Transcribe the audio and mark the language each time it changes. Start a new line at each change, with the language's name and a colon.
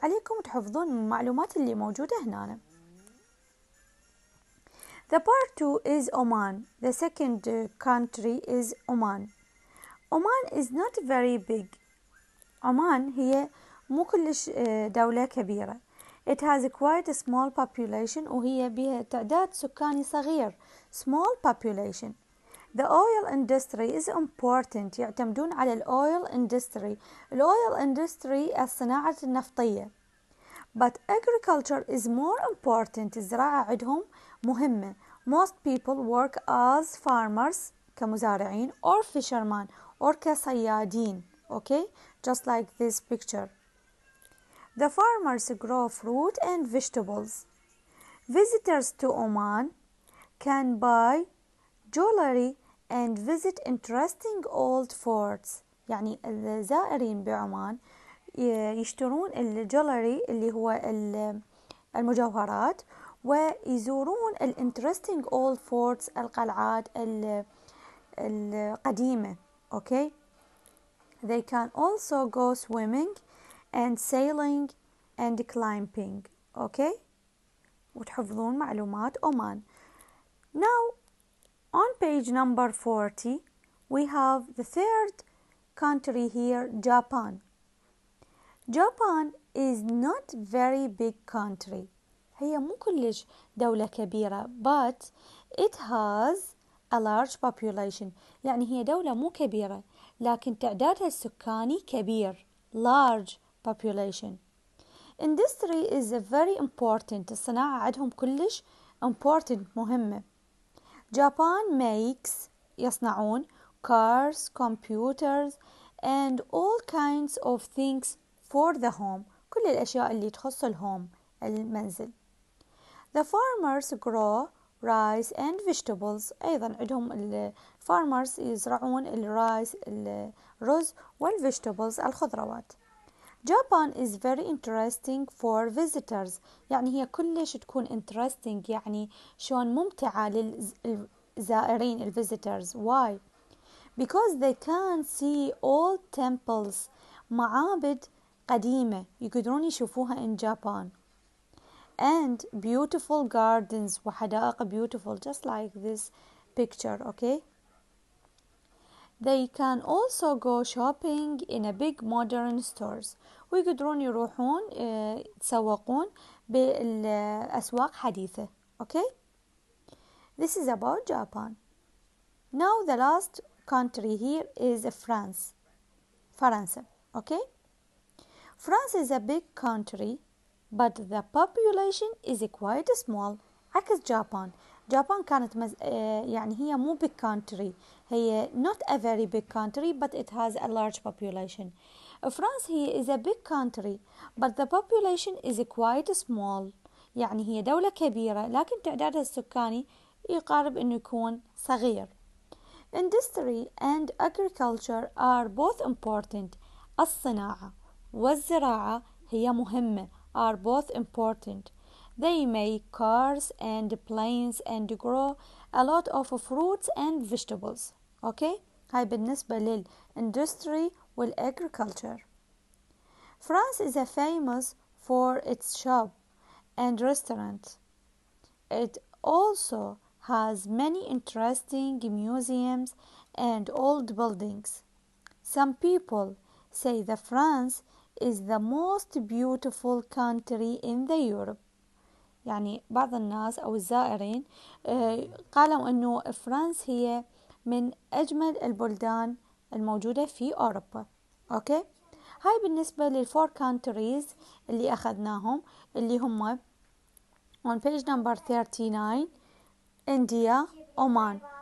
Arabic: عليكم تحفظون المعلومات اللي موجودة هنا.
English: The part two is Oman. The second country is Oman. Oman is not very big.
Arabic: Oman هي مو كلش دولة كبيرة.
English: It has quite a small population،
Arabic: وهي بها تعداد سكاني صغير.
English: Small population. The oil industry is important.
Arabic: يعتمدون على الـ oil industry. الـ oil industry الصناعة النفطية.
English: But agriculture is more important.
Arabic: الزراعة عندهم مهمة.
English: Most people work as farmers، كمزارعين، or fishermen، or كصيادين. Okay? Just like this picture. The farmers grow fruit and vegetables. Visitors to Oman can buy jewelry and visit interesting old forts.
Arabic: يعني الزائرين بعمان يشترون الجولري اللي هو المجوهرات، ويزورون الانترستينج اولد فورتس، القلعات القديمة. اوكي.
English: They can also go swimming and sailing and climbing.
Arabic: اوكي. وتحفظون معلومات عمان.
English: Now on page number 40 we have the third country here, Japan. Japan is not very big country.
Arabic: هي مو كلش دولة كبيرة.
English: But it has a large population.
Arabic: يعني هي دولة مو كبيرة لكن تعدادها السكاني كبير.
English: Large population. Industry is very important.
Arabic: الصناعة عندهم كلش important، مهمة.
English: Japan makes، يصنعون، cars، computers and all kinds of things for the home،
Arabic: كل الأشياء اللي تخص الهوم، المنزل.
English: The farmers grow rice and vegetables،
Arabic: أيضا عندهم
English: farmers
Arabic: يزرعون الرز
English: والvegetables، الخضروات. Japan is very interesting for visitors.
Arabic: يعني هي كلش تكون interesting، يعني شلون ممتعة للزائرين ال visitors.
English: Why? Because they can see old temples،
Arabic: معابد قديمة يقدرون يشوفوها
English: in Japan. And beautiful gardens، وحدائق beautiful just like this picture. Okay. They can also go shopping in a big modern stores.
Arabic: ويقدرون يروحون يتسوقون بالأسواق حديثة.
English: Okay. This is about Japan. Now the last country here is France.
Arabic: فرنسا. Okay.
English: France is a big country, but the population is quite small.
Arabic: عكس جابان. جابان كانت يعني هي مو big country.
English: هي not a very big country, but it has a large population. France هي is a big country, but the population is quite small.
Arabic: يعني هي دولة كبيرة لكن تعدادها السكاني يقارب إنه يكون صغير.
English: Industry and agriculture are both important.
Arabic: الصناعة والزراعة هي مهمة.
English: Are both important. They make cars and planes and grow a lot of fruits and vegetables. Okay?
Arabic: هاي بالنسبة للindustry والagriculture.
English: France is famous for its shop and restaurant. It also has many interesting museums and old buildings. Some people say that France is the most beautiful country in the Europe.
Arabic: يعني بعض الناس أو الزائرين قالوا أنه فرنسا هي من أجمل البلدان الموجودة في أوروبا. أوكي؟ هاي بالنسبة للفور كونتريز اللي أخذناهم، اللي هم
English: on page number 39
Arabic: إنديا، أومان.